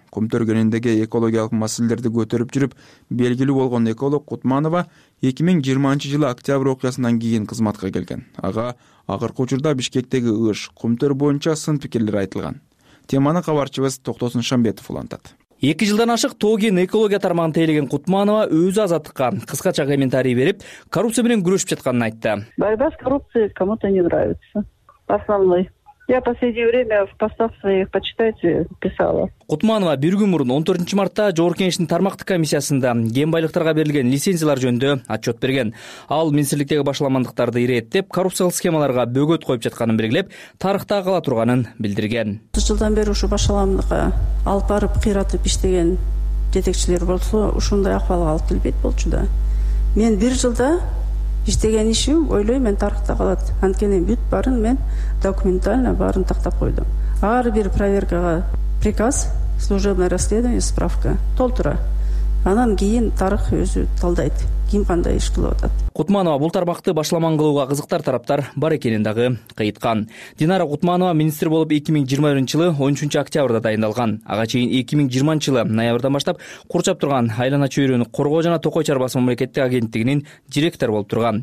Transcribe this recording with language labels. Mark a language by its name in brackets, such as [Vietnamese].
[Kyrgyz] Кумтөр кенениндеги экологиялык маселелерди көтөрүп жүрүп белгилүү болгон эколог Кутманова 2020-жылы октябрь окуясынан кийин кызматка келген. Ага акыркы учурда Бишкектеги ыш, Кумтөр боюнча сын пикирлер айтылган. Теманы кабарчыбыз Токтосун Шамбетов улантат. 2 жылдан ашык Тоогин экология тармагын тейлеген Кутманова өзү Азаттыкка кыскача комментарий берип, коррупция менен күрөшүп жатканын айтты. [Russian] Борьба с коррупцией кому-то не нравится. Основной. Я в последнее время в постах своих почитайте писала. [Kyrgyz] Кутманова бир күн мурун 14 мартта Жогорку Кеңештин тармактык комиссиясында ген байлыктарга берилген лицензиялар жөнүндө отчет берген. Ал министрликтеги башаламандыктарды ирээттеп коррупциялык схемаларга бөгөт коюп жатканын белгилеп, тарыхта кала турганын билдирген. 30 жылдан бери ушу башаламдыкка алып барып кыйратып иштеген жетекчилер болсо ушундай акыбалга алып келбейт болчу да. Мен 1 жылда иштеген ишим ойлойм мен тарыхта калат. Анткени бүт баарын мен документально баарын тактап койдум. ар бир проверкага приказ, [Russian] служебное расследование, [Kyrgyz] справка толтура. Анан кийин тарых өзү талдайт. Ким кандай иш кылып атат. Кутманова бул тармакты башламан кылууга кызыктар тараптар бар экенин дагы кайткан. Динара Кутманова министр болуп 2021-жылы 13 октябрда дайындалган. Ага чейин 2020-жылы ноябрдан баштап курчап турган айлана чөйрөнү коргоо жана токой чарбасы мамлекеттик агенттигинин директору болуп турган.